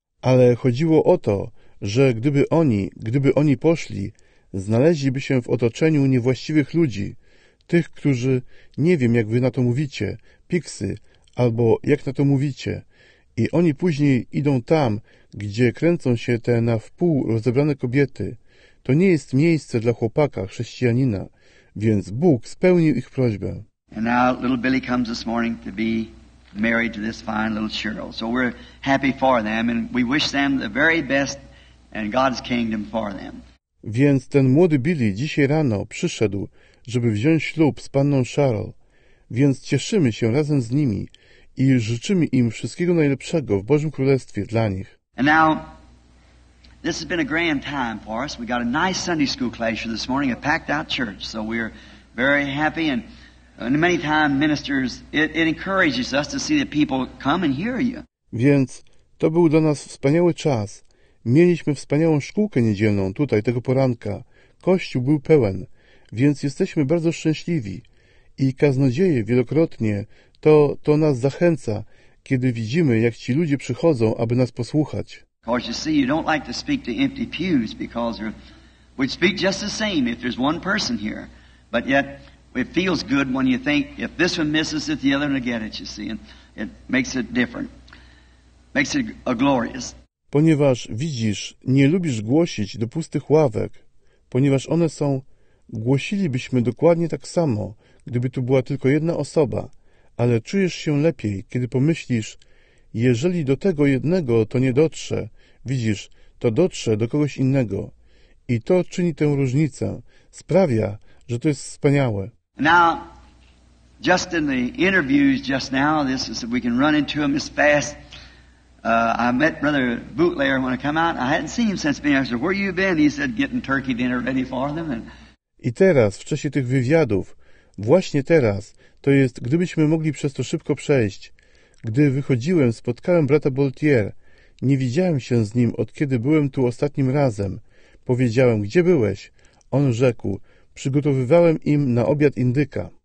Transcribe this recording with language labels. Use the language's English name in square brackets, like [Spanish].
[Polish] Ale chodziło o to, że gdyby oni poszli, znaleźliby się w otoczeniu niewłaściwych ludzi, tych, którzy, nie wiem jak wy na to mówicie, piksy, albo jak na to mówicie, i oni później idą tam, gdzie kręcą się te na wpół rozebrane kobiety, to nie jest miejsce dla chłopaka, chrześcijanina, więc Bóg spełnił ich prośbę. [English] And now little Billy comes this morning to be married to this fine little Cheryl. So we're happy for them and we wish them the very best and God's kingdom for them. [Polish] Więc ten młody Billy dzisiaj rano przyszedł, żeby wziąć ślub z panną Cheryl. Więc cieszymy się razem z nimi i życzymy im wszystkiego najlepszego w Bożym Królestwie dla nich. [English] And now, this has been a grand time for us. We got a nice Sunday school class this morning, a packed out church. So we're very happy and many times ministers, it encourages us to see that people come and hear you. [Polish] Więc to był dla nas wspaniały czas. Mieliśmy wspaniałą szkółkę niedzielną tutaj tego poranka. Kościół był pełen, więc jesteśmy bardzo szczęśliwi. I kaznodzieje wielokrotnie to nas zachęca, kiedy widzimy, jak ci ludzie przychodzą, aby nas posłuchać. [English] Because you see, you don't like to speak to empty pews because we'd speak just the same if there's one person here. But yet, it feels good when you think if this one misses it, the other one will get it, you see. And it makes it different. Makes it a glorious. [Polish] Ponieważ widzisz, nie lubisz głosić do pustych ławek, ponieważ one są, głosilibyśmy dokładnie tak samo, gdyby tu była tylko jedna osoba, ale czujesz się lepiej, kiedy pomyślisz, jeżeli do tego jednego to nie dotrze, widzisz, to dotrze do kogoś innego. I to czyni tę różnicę, sprawia, że to jest wspaniałe. [English] Now, just in the interviews just now, this is we can run into them as fast. I met Brother Bootlayer when I come out. I hadn't seen him since being asked, where you been? He said, getting turkey dinner ready for them. [Polish] I teraz, w czasie tych wywiadów, właśnie teraz, to jest, gdybyśmy mogli przez to szybko przejść, gdy wychodziłem, spotkałem brata Boltier. Nie widziałem się z nim, od kiedy byłem tu ostatnim razem. Powiedziałem, gdzie byłeś? On rzekł, przygotowywałem im na obiad indyka.